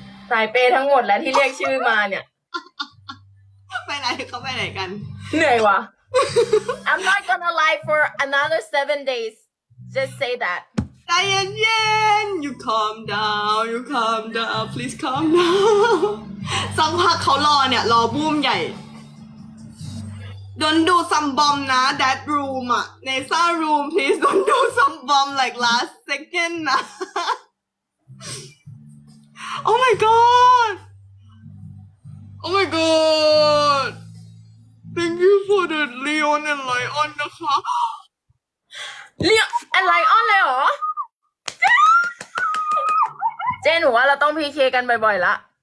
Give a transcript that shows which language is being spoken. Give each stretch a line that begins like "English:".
Thai: สายเปย์ทั้งหมดแล้วที่เรียกชื่อมาเนี่ย ไปไหนเขาไปไหนกัน เหนื่อยว่ะ
English: I'm not gonna lie for another 7 days just say that
Thai: ใจเย็นๆ
English: you calm down please calm down
Thai: สักพักเขารอเนี่ยรอบูมใหญ่
English: don't do some bomb นะ that room อะ Nesa room please don't do some bomb like last second นะOh my god! Oh my god! Thank you for the Leon and Lion, นะคะ
Thai: Leon and Lion เลยเหรอ เจนหนูว่าเราต้องพีเคกันบ่อยๆละ